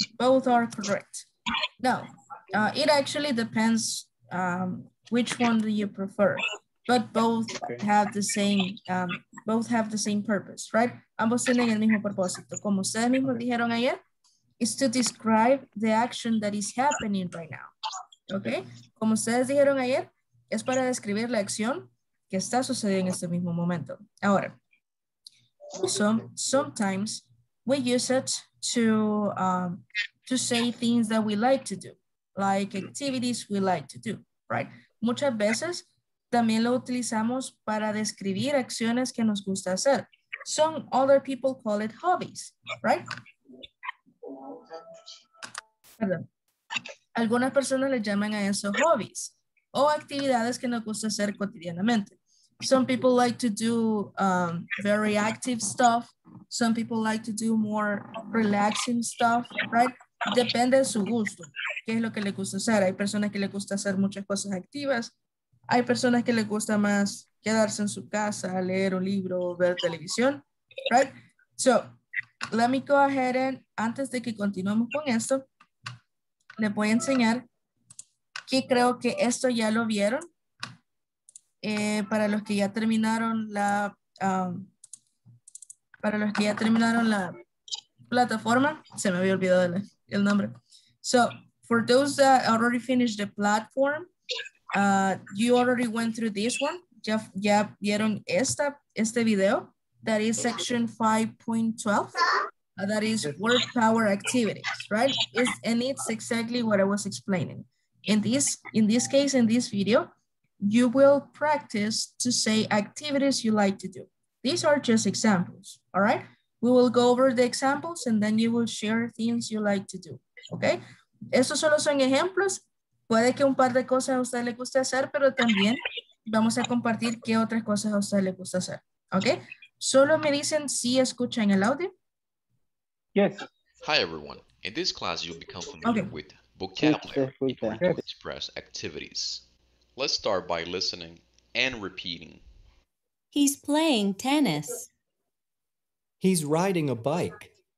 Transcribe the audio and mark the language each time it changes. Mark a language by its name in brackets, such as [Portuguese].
[English] Both are correct. Now, it actually depends which one do you prefer, but both okay. have the same both have the same purpose, right? [Spanish] Ambos tienen el mismo propósito. Como ustedes mismos dijeron ayer, [English] is to describe the action that is happening right now. Okay? [Spanish] Como ustedes dijeron ayer, es para describir la acción que está sucediendo en este mismo momento. [English] Ahora, so sometimes we use it to say things that we like to do, like activities we like to do, right? [Spanish] Muchas veces también lo utilizamos para describir acciones que nos gusta hacer. [English] Some other people call it hobbies, right? [Spanish] Perdón. Algunas personas le llaman a eso hobbies o actividades que nos gusta hacer cotidianamente. [English] Some people like to do very active stuff. Some people like to do more relaxing stuff, right? [Spanish] Depende de su gusto. ¿Qué es lo que le gusta hacer? Hay personas que le gusta hacer muchas cosas activas. Hay personas que le gusta más quedarse en su casa, leer un libro, ver televisión, right? [English] So, let me go ahead and, [Spanish] antes de que continuemos con esto, le voy a enseñar que creo que esto ya lo vieron. Para los que ya terminaron la, para los que ya terminaron la, plataforma, se me había olvidado el nombre. [English] So, for those that already finished the platform, you already went through this one. [Spanish] Ya vieron este video. [English] That is section 5.12. That is word power activities, right? And it's exactly what I was explaining. In this case, in this video, you will practice to say activities you like to do. These are just examples, all right? We will go over the examples and then you will share things you like to do, okay? [Spanish] Estos solo son ejemplos. Puede que un par de cosas a usted le guste hacer, pero también vamos a compartir qué otras cosas a usted le gusta hacer, okay? Solo me dicen si escuchan el audio. [English] Yes. Hi, everyone. In this class, you'll become familiar with vocabulary in order to express activities. Let's start by listening and repeating. He's playing tennis. He's riding a bike.